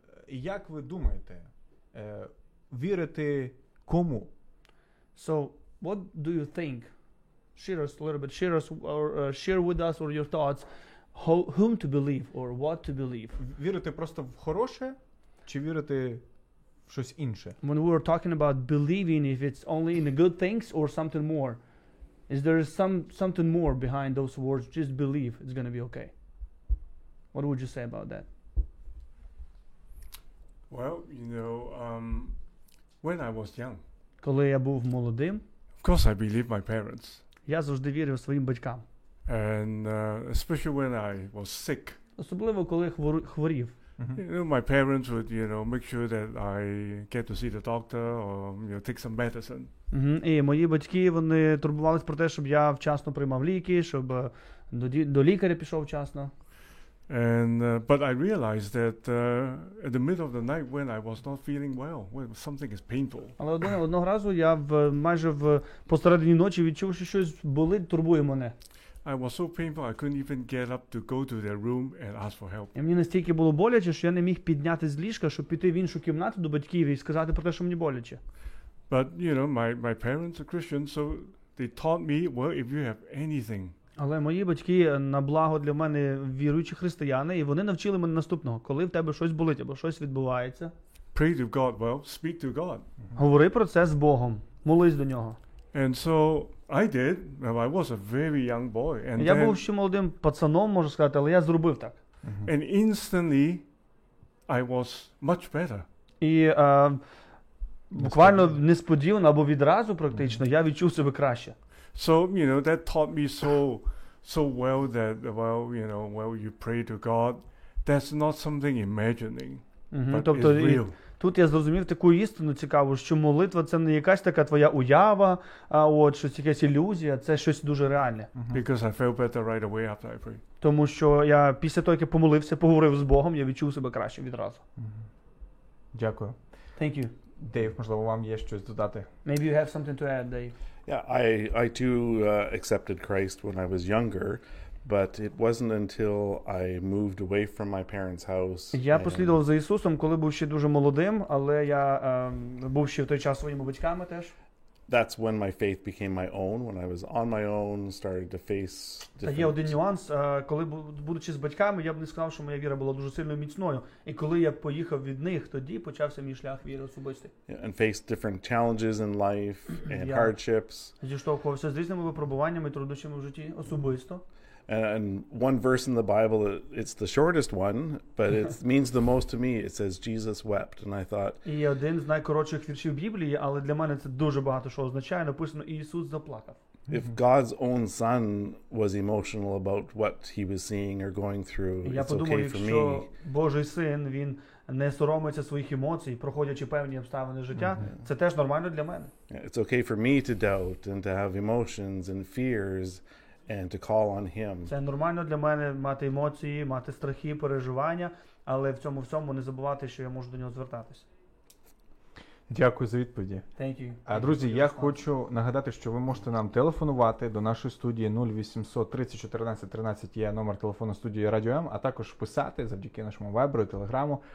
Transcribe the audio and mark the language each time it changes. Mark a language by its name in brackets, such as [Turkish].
[Ukrainian] Як ви думаєте, вірити кому? [English] So, what do you think? Share us a little bit, share us or share with us or your thoughts, whom to believe or what to believe. [Ukrainian] Вірити просто в хороше чи вірити в щось інше? [English] When we were talking about believing, if it's only in the good things or something more, is there something more behind those words, just believe, it's going to be okay. What would you say about that? Well, you know, when I was young. [Ukrainian] Коли я був молодим. [English] Of course I believed my parents. [Ukrainian] Я завжди вірив своїм батькам. [English] And especially when I was sick. [Ukrainian] Особливо коли хворів. [English] You know, my parents would, you know, make sure that I get to see the doctor or, you know, take some medicine. [Ukrainian] І мої батьки, вони турбувались про те, щоб я вчасно приймав ліки, щоб до лікаря пішов вчасно. [English] And but I realized that in the middle of the night when I was not feeling well, when something is painful. [Ukrainian] Але одного разу я майже в посередині ночі відчув, що щось болить, турбує мене. [English] I was so painful I couldn't even get up to go to their room and ask for help. [Ukrainian] І мені настільки було боляче, що я не міг піднятися з ліжка, щоб піти в іншу кімнату до батьків і сказати про те, що мені боляче. [English] But you know, my parents are Christians, so they taught me, well, if you have anything. [Ukrainian] Але мої батьки на благо для мене віруючі християни, і вони навчили мене наступного: коли в тебе щось болить або щось відбувається, [English] pray to God, well, speak to God. [Ukrainian] Говори про це з Богом, молись до нього. [English] And so I did. Well, I was a very young boy. And [Ukrainian] я був ще молодим пацаном, можу сказати, але я зробив так. [English] And instantly I was much better. [Ukrainian] І буквально несподівано або відразу практично я відчув себе краще. [English] So, you know, that taught me so well that, well, you know, well, you pray to God, that's not something imagining, but [Ukrainian] тобто [English] it's real. [Ukrainian] Тут я зрозумів таку істину цікаву, що молитва – це не якась така твоя уява, а от щось якась ілюзія, це щось дуже реальне. [English] Because I felt better right away after I prayed. [Ukrainian] Тому що я після того, як я помолився, поговорив з Богом, я відчув себе краще відразу. Дякую. [English] Thank you. [Ukrainian] Dave, можливо, вам є щось додати? [English] Maybe you have something to add, Dave. Yeah, I too accepted Christ when I was younger, but it wasn't until I moved away from my parents' house. [Ukrainian] Я послідував за Ісусом, коли був ще дуже молодим, але я був ще в той час своїми батьками теж. [English] That's when my faith became my own, when I was on my own, started to face different... [Ukrainian] Та є один нюанс, коли будучи з батьками, я б не сказав, що моя віра була дуже сильною, міцною. І коли я поїхав від них, тоді почався мій шлях віри особистий. [English] Yeah, and faced different challenges in life and hardships. [Ukrainian] Зіштовхувався з різними випробуваннями, труднощами в житті особисто. [English] And one verse in the Bible, it's the shortest one, but it means the most to me. It says, Jesus wept, and I thought... [Ukrainian] І один з найкоротших віршів Біблії, але для мене це дуже багато що означає, написано, Ісус заплакав. [English] If God's own son was emotional about what he was seeing or going through, it's okay for me. [Ukrainian] Я подумав, якщо Божий син, він не соромиться своїх емоцій, проходячи певні обставини життя, це теж нормально для мене. [English] It's okay for me to doubt and to have emotions and fears... and to call on him. [Ukrainian] Це нормально для мене мати емоції, мати страхи, переживання, але в цьому всьому не забувати, що я можу до нього звертатися. Дякую за відповіді. [English] Thank you. [Ukrainian] А друзі, я хочу нагадати, що ви можете нам телефонувати до нашої студії 0800 30 14 13 є номер телефону студії Радіо М, а також писати завдяки нашому Viber, Telegram.